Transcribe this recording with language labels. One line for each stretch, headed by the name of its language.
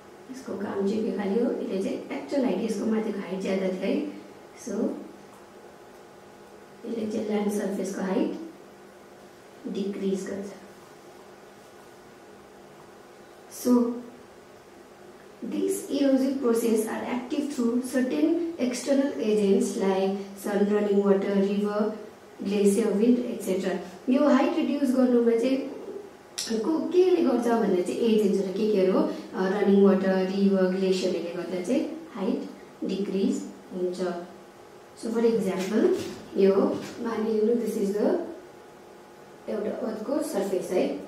Nepali: यसको काम चाहिँ के खालि हो, यसले चाहिँ एक्चुअल हाइट, यसको माथिको हाइट ज्यादा थियो है. सो यसले चाहिँ ल्यान्ड सर्फेसको हाइट डिक्रिज गर्छ.
English: So these erosive processes are active through certain external agents like sun, running water, river, glacier, wind, etc.
Nepali: यो हाइट रिड्युस गर्नुमा चाहिँ केले गर्छ भन्दा चाहिँ एजेन्ट्सहरू केहरू हो, रनिङ वाटर, रिभर, ग्लेसियरहरूले गर्दा चाहिँ हाइट डिक्रिज हुन्छ.
English: so for example
Nepali: यो मानिलिनु,
English: this is the
Nepali: एउटा अर्थको सर्फेस है.